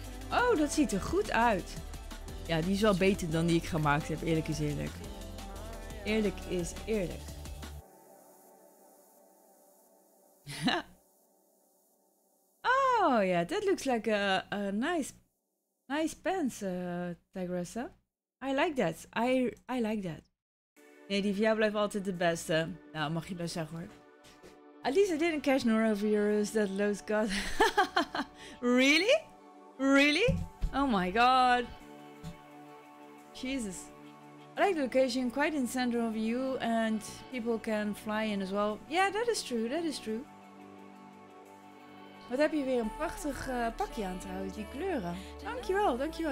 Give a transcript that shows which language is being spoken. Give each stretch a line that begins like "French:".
Dutch: Oh, dat ziet er goed uit. Ja, die is wel beter dan die ik gemaakt heb. Eerlijk is eerlijk. Eerlijk is eerlijk.
English: Oh, yeah, that looks like a nice pants, Tigressa. I like that.
Dutch: Nee, die van jou blijft altijd de beste. Nou, mag je best zeggen hoor.
English: At least I didn't catch Nora over Euros that Lowe's got. Really? Really? Oh my god. Jesus. I like the location, quite in the center of you, and people can fly in as well. Yeah, that is true, that is true.
Dutch: Wat heb je weer een prachtig pakje aan trouwens, die kleuren. Dankjewel, dankjewel.